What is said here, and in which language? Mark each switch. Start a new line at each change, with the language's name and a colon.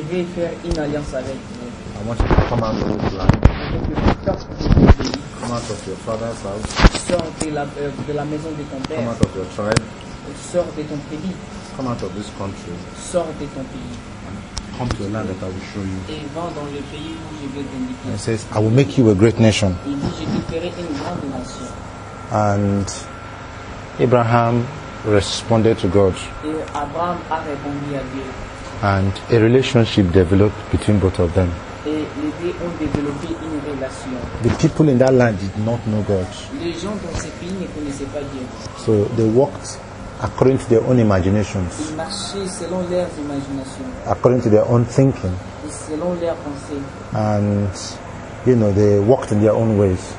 French: Je vais faire une alliance avec vous.
English: I want you to come out of this land. Come out of your father's house.
French: Sors de la maison de ton père.
English: Come out of your tribe.
French: Sors de ton pays.
English: Come out of this country.
French: Sors de ton pays.
English: Come to the land that I will show you.
French: Et va dans le pays où je vais t'indiquer.
English: And he says, I will make you a great nation.
French: Il dit, je te ferai une grande nation.
English: And Abraham responded to God.
French: Abraham a répondu à Dieu.
English: And a relationship developed between both of them.
French: Et les deux ont développé une relation.
English: The people in that land did not know God.
French: Les gens dans ce pays ne connaissaient pas Dieu.
English: So they walked according to their own imaginations.
French: Ils marchaient selon leurs imaginations.
English: According to their own thinking.
French: Et selon leurs pensées.
English: And you know, they walked in their own ways.